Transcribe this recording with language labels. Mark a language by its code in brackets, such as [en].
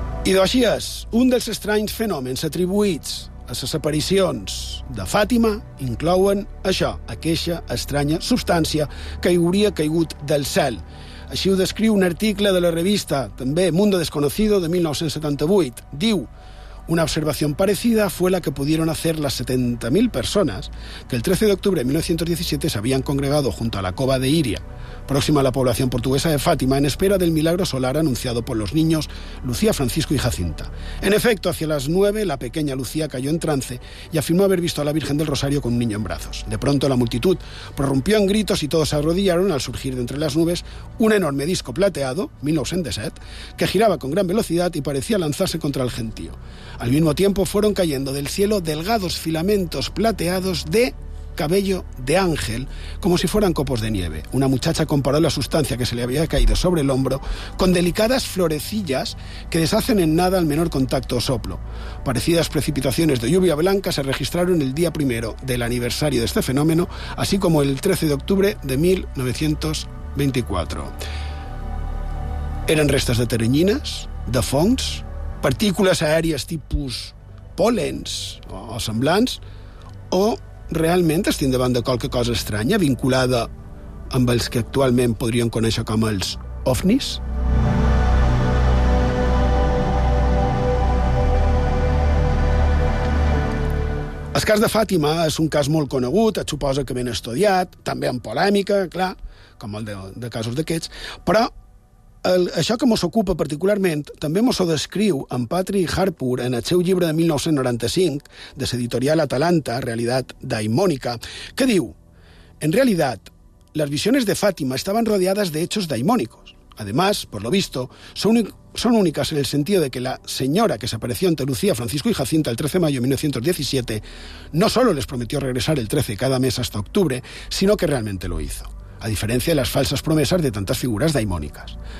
[ca] Idò, així és. Un dels estranys fenòmens atribuïts a les aparicions de Fàtima inclouen això, aquesta estranya substància que hi hauria caigut del cel. Així ho descriu un article de la revista, també Mundo Desconocido, de 1978. [es] Diu, una observació parecida fue la que pudieron hacer las 70.000 personas que el 13 de octubre de 1917 se habían congregado junto a la cova de Iria, próxima a la población portuguesa de Fátima, en espera del milagro solar anunciado por los niños Lucía, Francisco y Jacinta. En efecto, hacia las 9, la pequeña Lucía cayó en trance y afirmó haber visto a la Virgen del Rosario con un niño en brazos. De pronto, la multitud prorrumpió en gritos y todos se arrodillaron al surgir de entre las nubes un enorme disco plateado, 1907, que giraba con gran velocidad y parecía lanzarse contra el gentío. Al mismo tiempo, fueron cayendo del cielo delgados filamentos plateados de cabello de ángel, como si fueran copos de nieve. Una muchacha comparó la sustancia que se le había caído sobre el hombro con delicadas florecillas que deshacen en nada al menor contacto o soplo. Parecidas precipitaciones de lluvia blanca se registraron el día primero del aniversario de este fenómeno, así como el 13 de octubre de 1924. [ca] Eren restes de teranyines, de fongs, partícules aèries tipus pol·lens o semblants, o realment estem davant de qualque cosa estranya vinculada amb els que actualment podríem conèixer com els ovnis? El cas de Fàtima és un cas molt conegut, et suposa que ben estudiat, també amb polèmica, clar, com el de casos d'aquests, però això que mos ocupa particularment també mos ho descriu en Patrick Harpur en el seu llibre de 1995 de l'editorial Atalanta, Realitat Daimònica, que diu: en realitat, les visiones de Fàtima estaven rodeades de [es] hechos daimónicos. Además, por lo visto, son únicas en el sentido de que la señora que se apareció ante Lucía, Francisco y Jacinta el 13 de mayo de 1917 no solo les prometió regresar el 13 cada mes hasta octubre, sino que realmente lo hizo, a diferencia de las falsas promesas de tantas figuras daimónicas.